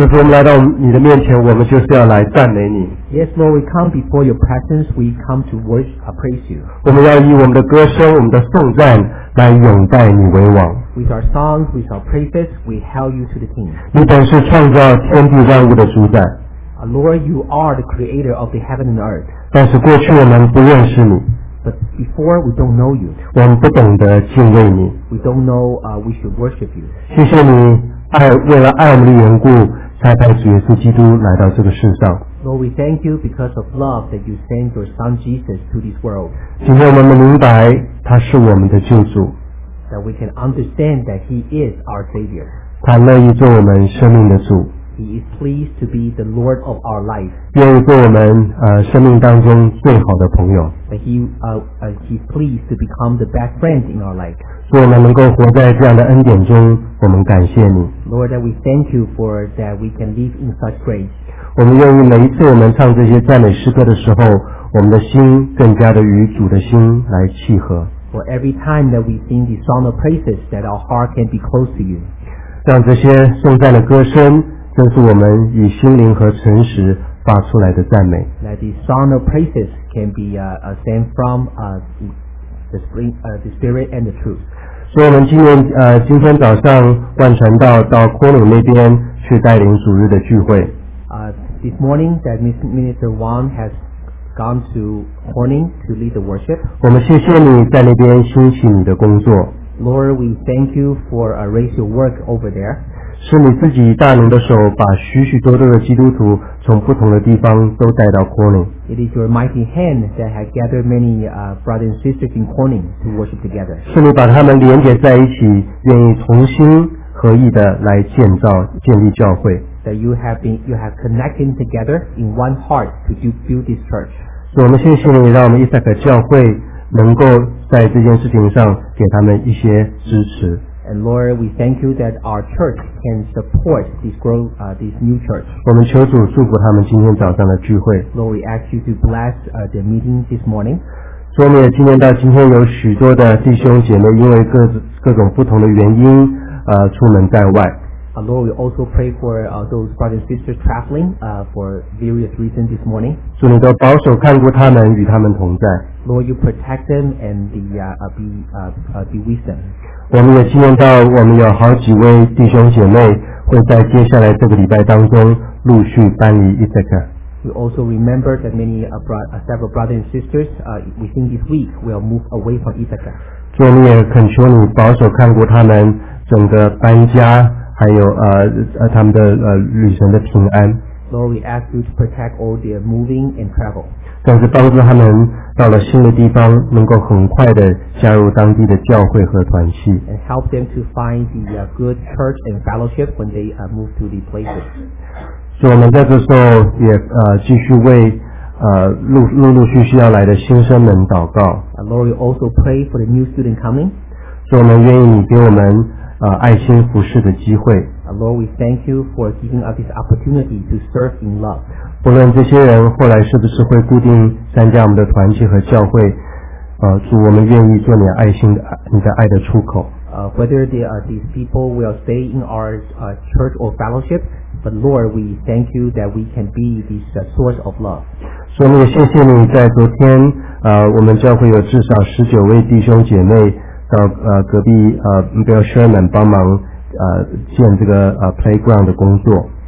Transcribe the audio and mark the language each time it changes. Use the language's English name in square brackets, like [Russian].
[Chinese] 来到你的面前，我们就是要来赞美你。 [English] Yes, Lord, we come before your presence. We come to worship, praise you. [Chinese] 我们要以我们的歌声、我们的颂赞来拥戴你为王。 [English] With our songs, with our praises, we hail you to the King. [Chinese] 你本是创造天地万物的主宰。 [English] Lord, you are the creator of the heaven and earth. [Chinese] 但是过去我们不认识你。 [English] But before we don't know you. [Chinese] 我们不懂得敬畏你。 [English] We don't know, we should worship you. [Chinese] 谢谢你爱为了爱我们的缘故。才派主耶稣基督来到这个世上。 [English] Lord, we thank you because of love that you sent your Son Jesus to this world. [Chinese] 今天我们明白他是我们的救主。 [English] That we can understand that he is our Savior. [Chinese] 他乐意做我们生命的主。 [English] He is pleased to be the Lord of our life. [Chinese] 愿意做我们生命当中最好的朋友。 [English] That he is pleased to become the best friend in our life. [Chinese] 所以我们能够活在这样的恩典中，我们感谢你。 [English] Lord, we thank you for that we can live in such grace. [Chinese] 我们愿意每一次我们唱这些赞美诗歌的时候，我们的心更加的与主的心来契合。 [English] For every time that we sing the song of praises, that our heart can be close to you. [Chinese] 让这些颂赞的歌声，正是我们以心灵和诚实发出来的赞美。 [English] That the song of praises can be sent from the spirit and the truth. [Chinese] 所以我们今天早上贯传道到昆鲁那边去带领主日的聚会。 [English] This morning that Minister Wang has gone to Corning to lead the worship. [Chinese] 我们谢谢你在那边兴起你的工作。 [English] Lord, we thank you for raise your work over there. [Chinese] 是你自己大能的手把许许多多的基督徒从不同的地方都带到 Corning. [English] It is your mighty hand that has gathered many brothers and sisters in Corning to worship together. [Chinese] 是你把他们连接在一起，愿意重新合意的来建立教会。 [English] That you have connected together in one heart to build this church. [Chinese] 所以我们谢谢你，让我们伊萨克教会能够在这件事情上给他们一些支持。 [English] And Lord, we thank you that our church can support this growth, this new church. [Chinese] 我们求主祝福他们今天早上的聚会。 [English] Lord, we ask you to bless the meeting this morning. [Chinese] 所以今天到今天有许多的弟兄姐妹因为各种不同的原因出门在外。 [English] Lord, we also pray for those brothers and sisters traveling for various reasons this morning. [Chinese] 主你都保守看顾他们与他们同在。 [English] Lord, you protect them and be with them. [Chinese] 我们也纪念到我们有好几位弟兄姐妹会在接下来这个礼拜当中陆续搬离伊泽克。 [English] We also remember that many several brothers and sisters within this week will move away from Ithaca. [Chinese] 主我们也恳求你保守看顾他们整个搬家还有他们的旅程的平安。 [English] Lord, we ask you to protect all their moving and travel. [Chinese] 更是帮助他们到了新的地方能够很快的加入当地的教会和团契。 [English] And help them to find the good church and fellowship when they move to these places. [Chinese] 所以我们在这时候也继续为陆续要来的新生们祷告。 [English] Lord, we also pray for the new student coming. [Chinese] 所以我们愿意你给我们爱心服事的机会。 [English] Lord, we thank you for giving us this opportunity to serve in love. [Chinese] 不论这些人后来是不是会固定参加我们的团契和教会，主我们愿意做你爱心你的爱的出口。 [English] Whether these people will stay in our church or fellowship, but Lord, we thank you that we can be this source of love. [Chinese] 所以谢谢你在昨天我们教会有至少19位弟兄姐妹到隔壁Bill Sherman 帮忙建这个playground 的工作。